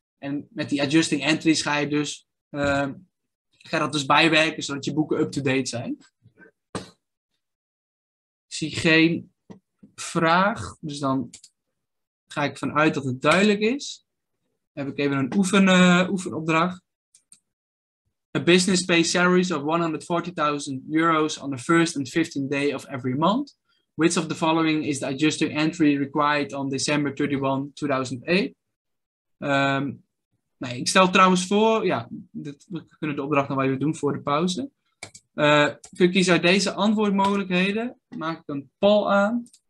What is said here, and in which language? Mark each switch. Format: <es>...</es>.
<nl>En met die adjusting entries ga je dus ga dat dus bijwerken, zodat je boeken up-to-date zijn. Ik zie geen vraag, dus dan ga ik vanuit dat het duidelijk is. Dan heb ik even een oefenopdracht.</nl> <en>A business pays salaries of 140,000 euros on the first and 15th day of every month. Which of the following is the adjusting entry required on December 31, 2008?</en> <nl>Nee, ik stel trouwens voor, ja, we kunnen de opdracht nog even doen voor de pauze. Kun je kiezen uit deze antwoordmogelijkheden? Maak ik een poll aan.</nl>